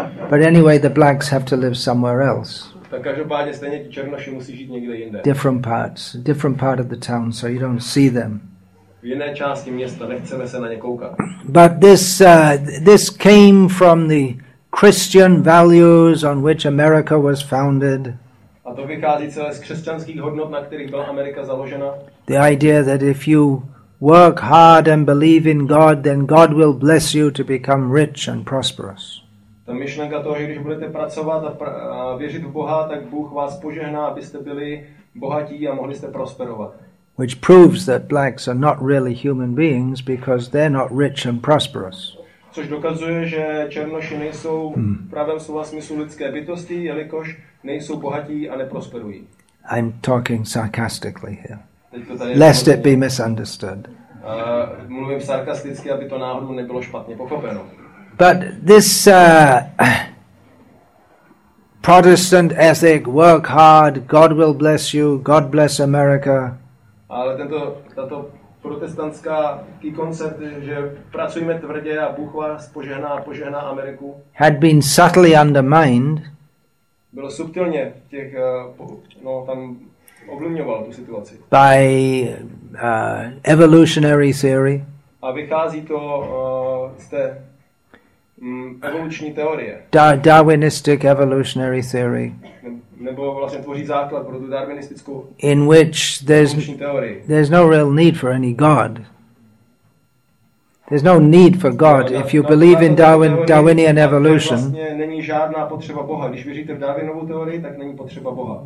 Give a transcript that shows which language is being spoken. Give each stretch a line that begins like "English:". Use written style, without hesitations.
English: But anyway, the blacks have to live somewhere else.
Czech: Tak každopádně stejně ti černoši musí žít někde jinde.
English: Different part of the town, so you don't see them.
Czech: V jiné části města, nechceme se na ně koukat.
English: But this came from the Christian values on which America was founded.
Czech: A to vychází celé z křesťanských hodnot, na kterých byla Amerika založena.
English: The idea that if you work hard and believe in God, then God will bless you to become rich and prosperous.
Czech: Ta myšlenka toho, že když budete pracovat a věřit v Boha, tak Bůh vás požehná, abyste byli bohatí a mohli jste prosperovat.
English: Which proves that blacks are not really human beings because they're not rich and prosperous.
Czech: Což dokazuje, že černoši nejsou v pravém slova smyslu lidské bytosti, jelikož nejsou bohatí a neprosperují.
English: I'm talking sarcastically here. Lest it be misunderstood.
Czech: Mluvím sarkasticky, aby to náhodou nebylo špatně pochopeno.
English: But this Protestant ethic, work hard, God will bless you, God bless America.
Czech: Ale tato protestantská koncept, že pracujeme tvrdě a Bůh vás požehná a požehná Ameriku,
English: had been subtly undermined.
Czech: Bylo subtilně těch tam ovlivňoval tu situaci.
English: By evolutionary theory.
Czech: A vychází to z té evoluční teorie.
English: Darwinistic evolutionary theory.
Czech: Nebo vlastně tvoří základ pro tu darwinistickou.
English: In which there's no real need for any God. There's no need for God if you believe in Darwinian evolution.
Czech: Vlastně není žádná potřeba Boha. Když věříte v Darwinovu teorii, tak není potřeba Boha.